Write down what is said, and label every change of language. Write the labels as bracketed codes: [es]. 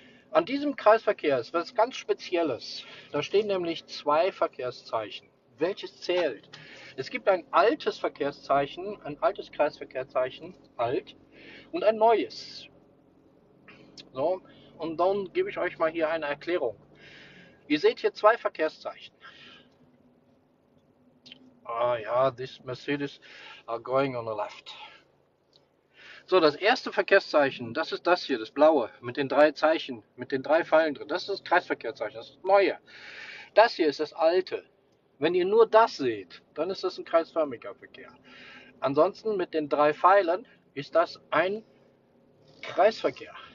[de] An diesem Kreisverkehr ist was ganz Spezielles. Da stehen nämlich zwei Verkehrszeichen. Welches zählt? Es gibt ein altes Verkehrszeichen, ein altes Kreisverkehrszeichen, alt, und ein neues. So, und dann gebe ich euch mal hier eine Erklärung. Ihr seht hier zwei Verkehrszeichen. [en] Ah ja, this Mercedes are going on the left. [de] So, das erste Verkehrszeichen, das ist das hier, das blaue, mit den drei Zeichen, mit den drei Pfeilen drin. Das ist das Kreisverkehrszeichen, das ist das neue. Das hier ist das alte. Wenn ihr nur das seht, dann ist das ein kreisförmiger Verkehr. Ansonsten mit den drei Pfeilen ist das ein Kreisverkehr.